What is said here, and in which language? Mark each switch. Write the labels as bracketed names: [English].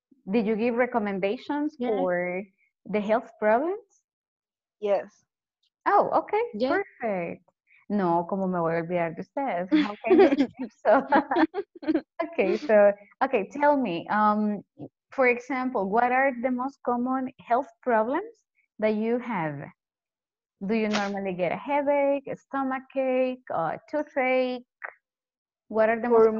[English] Did you give recommendations for the health problems? Yes. Oh, okay, yeah. Perfect. [Spanish] No, como me voy a olvidar de ustedes. [English] Okay, so, okay, tell me, for example, what are the most common health problems that you have? Do you normally get a headache, a stomachache, a toothache? What are the for most